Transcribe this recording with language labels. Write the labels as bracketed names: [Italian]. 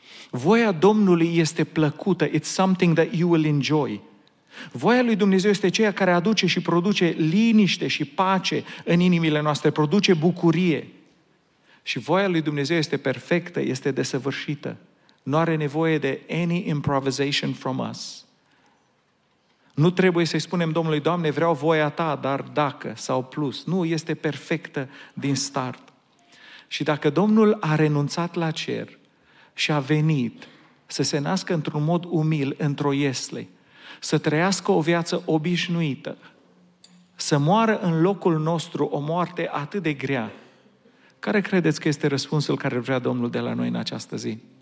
[Romanian] Voia Domnului este plăcută, [English] it's something that you will enjoy. [Romanian] Voia lui Dumnezeu este ceea care aduce și produce liniște și pace în inimile noastre, produce bucurie. Și voia lui Dumnezeu este perfectă, este desăvârșită. Nu are nevoie de [English] any improvisation from us. [Romanian] Nu trebuie să-i spunem Domnului, Doamne, vreau voia Ta, dar dacă sau plus. Nu, este perfectă din start. Și dacă Domnul a renunțat la cer și a venit să se nască într-un mod umil, într-o iesle, să trăiască o viață obișnuită, să moară în locul nostru o moarte atât de grea, care credeți că este răspunsul care vrea Domnul de la noi în această zi?